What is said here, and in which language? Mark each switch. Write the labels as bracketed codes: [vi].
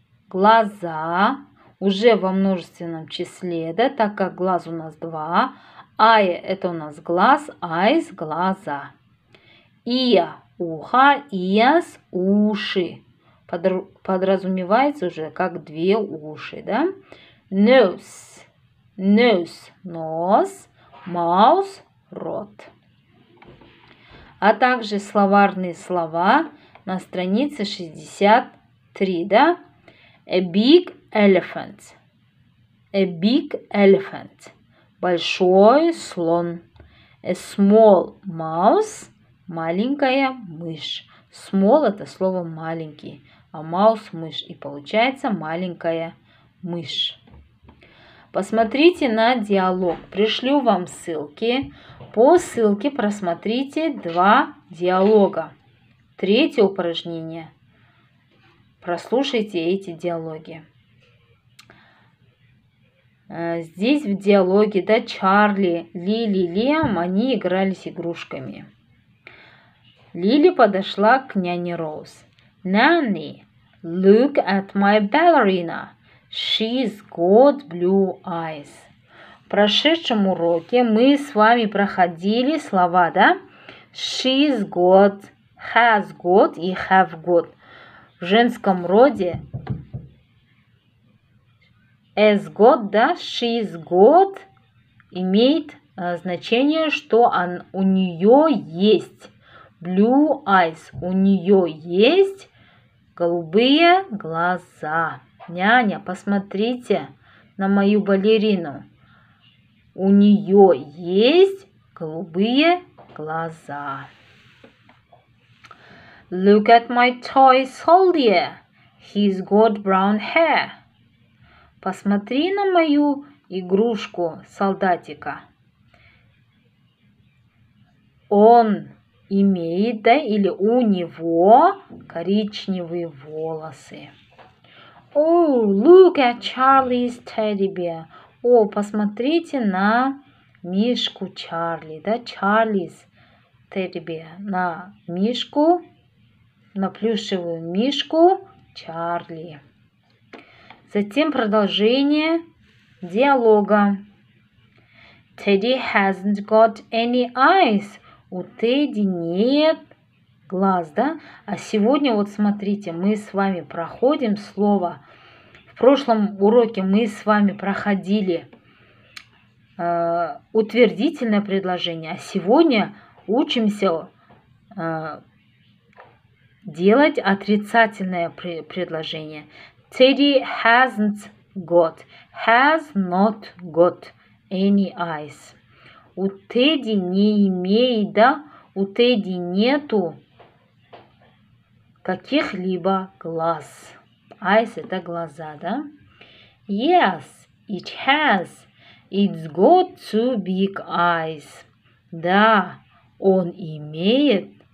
[ru] Глаза, уже во множественном числе, да, так как глаз у нас два. Eye – это у нас глаз, eyes – глаза. Ear – ухо, ears – уши. Подразумевается уже как две уши, да. [en] Nose – nose – нос, mouth – рот. [ru] А также словарные слова на странице 63, да. [en] A big elephant. A big elephant. [ru] Большой слон. [en] A small mouse. [ru] Маленькая мышь. Small – это слово маленький. А mouse – мышь. И получается маленькая мышь. Посмотрите на диалог. Пришлю вам ссылки. По ссылке просмотрите два диалога. Третье упражнение. Прослушайте эти диалоги. Здесь в диалоге, да, Чарли, Лили, Лем, они играли с игрушками. Лили подошла к няне Роуз. [en] Нанни, look at my ballerina. She's got blue eyes. [ru] В прошедшем уроке мы с вами проходили слова, да? [en] She's got, has got и have got. [ru] В женском роде has got, да, [en] she's got [ru] имеет значение, что он, у нее есть [en] blue eyes, [ru] у нее есть голубые глаза. Няня, посмотрите на мою балерину. У нее есть голубые глаза. [en] Look at my toy soldier. He's got brown hair. [ru] Посмотри на мою игрушку солдатика. Он имеет, да, или у него коричневые волосы. [en] Oh, look at Charlie's teddy bear. [ru] О, посмотрите на мишку Чарли, да, [en] Charlie's teddy bear, [ru] на мишку. На плюшевую мишку Чарли. Затем продолжение диалога. [en] Teddy hasn't got any eyes. [ru] У Тедди нет глаз, да? А сегодня, вот смотрите, мы с вами проходим слово. В прошлом уроке мы с вами проходили утвердительное предложение. А сегодня учимся делать отрицательное предложение. [en] Teddy hasn't got, has not got any eyes. [ru] У Тедди не имеет, да? У Тедди нету каких-либо глаз. Eyes – это глаза, да? [en] Yes, it has. It's got two big eyes. [ru] Да, он имеет.